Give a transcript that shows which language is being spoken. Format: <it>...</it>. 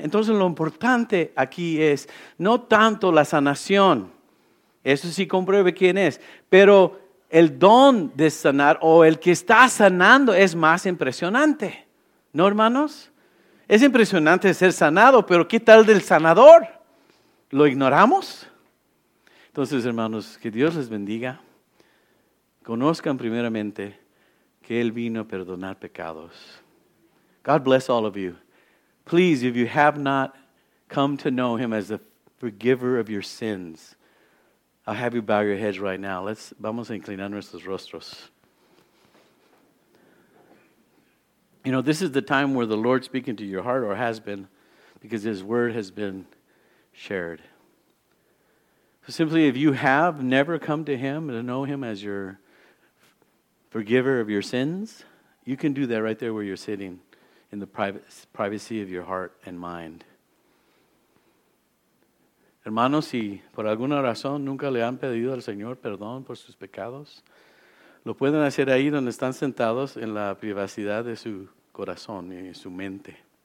<es>Entonces lo importante aquí es no tanto la sanación, eso sí compruebe quién es, pero el don de sanar o el que está sanando es más impresionante, ¿no, hermanos? Es impresionante ser sanado, pero ¿qué tal del sanador? ¿Lo ignoramos? Entonces, hermanos, que Dios les bendiga. Conozcan primeramente que Él vino a perdonar pecados.</es> <en>God bless all of you. Please, if you have not come to know Him as the forgiver of your sins, I'll have you bow your heads right now.</en> <es>Vamos a inclinar nuestros rostros.</es> <en>You know, this is the time where the Lord's speaking to your heart, or has been, because His word has been shared. So simply, if you have never come to Him to know Him as your forgiver of your sins, you can do that right there where you're sitting in the privacy of your heart and mind.</en> <es>Hermanos, si por alguna razón nunca le han pedido al Señor perdón por sus pecados, lo pueden hacer ahí donde están sentados en la privacidad de su corazón y su mente.</es>